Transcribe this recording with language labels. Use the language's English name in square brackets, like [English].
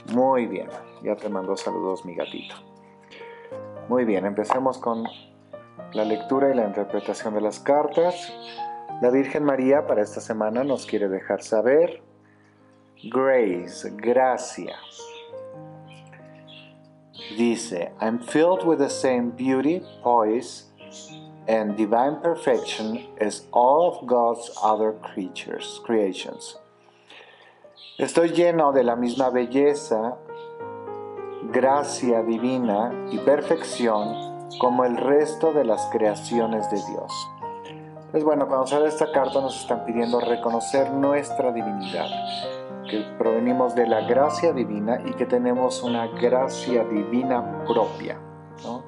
[Spanish] Muy bien, ya te mando saludos, mi gatito. Muy bien, empecemos con la lectura y la interpretación de las cartas. La Virgen María para esta semana nos quiere dejar saber grace, gracia. [English] Dice, I'm filled with the same beauty, poise, and divine perfection as all of God's other creatures, creations. [Spanish] Estoy lleno de la misma belleza, gracia divina y perfección como el resto de las creaciones de Dios. Pues bueno, cuando sale esta carta nos están pidiendo reconocer nuestra divinidad, que provenimos de la gracia divina y que tenemos una gracia divina propia, ¿no?